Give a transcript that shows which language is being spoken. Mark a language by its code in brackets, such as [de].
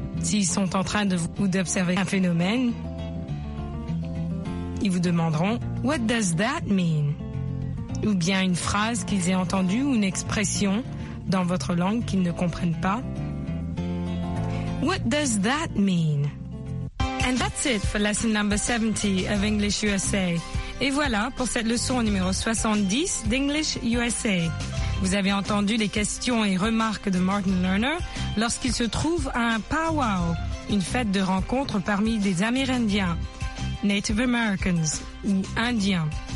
[fr] S'ils sont en train de ou d'observer un phénomène, ils vous demanderont « [en] What does that mean ?» [fr] ou bien une phrase qu'ils aient entendue ou une expression dans votre langue qu'ils ne comprennent pas. [en] « What does that mean ?» And that's it for lesson number 70 of English USA. [fr] Et voilà pour cette leçon numéro 70 d'English USA. Vous avez entendu les questions et remarques de Martin Lerner lorsqu'il se trouve à un powwow, une fête de rencontre parmi des Amérindiens. Native Americans ou Indiens.